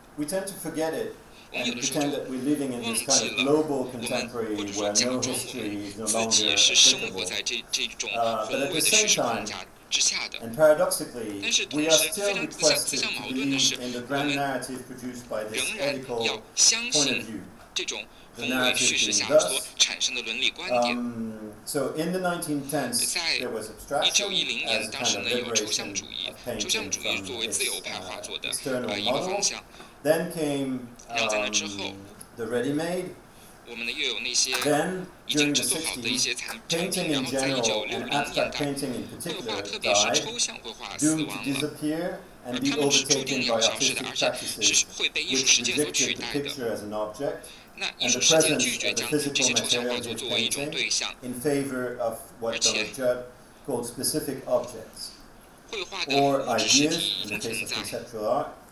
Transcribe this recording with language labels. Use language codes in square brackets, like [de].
[en] We tend to forget it and pretend that we're living in this kind of global contemporary where no history is no longer applicable. But at the same time, and paradoxically, we are still requested to believe in the grand narrative produced by this ethical point of view. [zh] 宏观叙事下所产生的伦理观点。 [en] So in the 1910s, there was abstraction. [zh] 1910年，当时呢有抽象主义，抽象主义作为自由派画作的一个方向。 [en] Then came, [zh] 然后在那之后 [en] the ready-made. [zh] 我们呢又有那些已经制作好的一些产品。 [en] Then, [zh] 然后在1960年代，绘画特别是抽象绘画死亡了。 [en] And be overtaken by artistic practices, which reject the picture as an object, and the presence of the physical material in the painting in favor of what Lecture called specific objects or ideas in the case of conceptual art.